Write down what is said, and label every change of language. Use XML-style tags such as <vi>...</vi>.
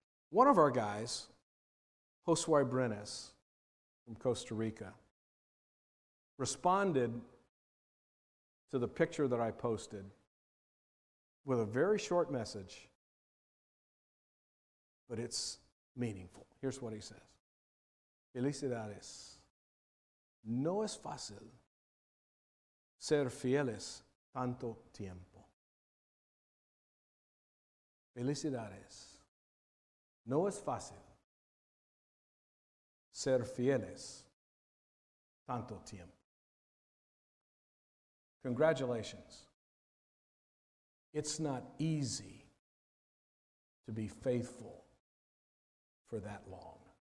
<en>One of our guys, Josue Brenes from Costa Rica, responded to the picture that I posted with a very short message, but it's meaningful. Here's what he says.</en> <es>Felicidades. No es fácil ser fieles tanto tiempo. Felicidades. No es fácil ser fieles tanto tiempo.</es> <en>Congratulations. It's not easy to be faithful for that long.</en>